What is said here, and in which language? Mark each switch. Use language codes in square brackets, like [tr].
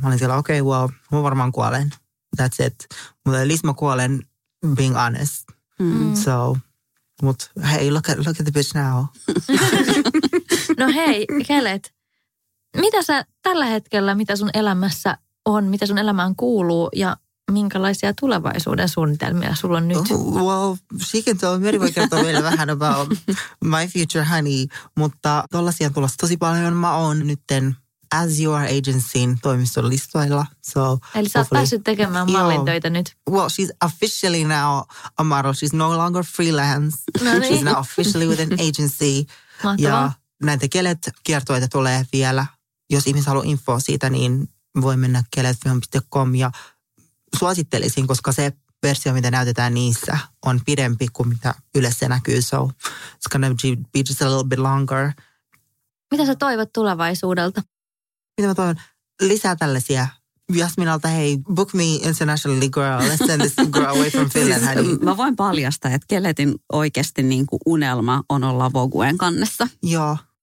[fi] Mä olin siellä, okei, okay, well, mä varmaan kuolen. [en] That's it. [fi] Mutta [en] at least [fi] mä kuolen, [en] being honest. Mm. So, mut hey, look at the bitch now. [fi] No hei, Kelet, mitä sä tällä hetkellä, mitä sun elämässä on, mitä sun elämään kuuluu ja minkälaisia tulevaisuuden suunnitelmia sulla on nyt? [en] Oh, well, she can tell. [fi] Meri voi kertoa meille vähän [en] about my future, honey. [fi] Mutta tollaisia on tulossa tosi paljon. Mä oon nytten As You Are Agencyn toimiston listoilla. So, eli sä oot päässyt tekemään mallintöitä nyt. [en] Well, she's officially now a model. She's no longer freelance. [fi] No niin. [en] She's now officially with an agency. [fi] Mahtavaa. Ja näitä Kelet kiertoita tulee vielä. Jos ihmiset haluaa infoa siitä, niin voi mennä keletfilm.com ja suosittelisin, koska se versio, mitä näytetään niissä, on pidempi kuin mitä yleensä näkyy. [en] So it's gonna be just a little bit longer. [fi] Mitä sä toivot tulevaisuudelta? Mitä mä toivon? Lisää tällaisia. Jasminalta, hei, [en] book me internationally, girl. Let's send this girl away from Finland. Siis, [fi] mä voin paljastaa, että Keletin oikeasti niin kuin unelma on olla Vogueen kannessa. Joo.